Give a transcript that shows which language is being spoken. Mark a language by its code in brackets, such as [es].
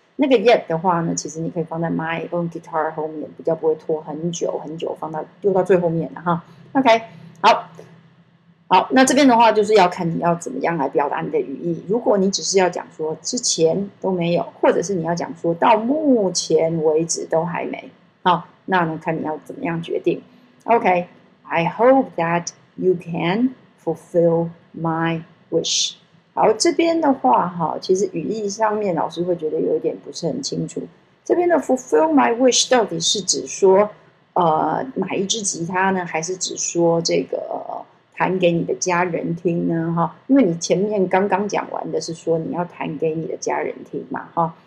[zh] 那个 yet 的话呢，其实你可以放在 [en] my own guitar [zh] 后面，比较不会拖很久很久，放到丢到最后面哈。 OK, 好，好，那这边的话就是要看你要怎么样来表达你的语义。如果你只是要讲说之前都没有，或者是你要讲说到目前为止都还没，好，那呢看你要怎么样决定。 [en] OK. I hope that you can fulfill my wish. [zh] 好，这边的话其实语义上面老师会觉得有一点不是很清楚。这边的 [en] fulfill my wish [zh] 到底是指说买一支吉他呢，还是指说这个弹给你的家人听呢？因为你前面刚刚讲完的是说你要弹给你的家人听嘛。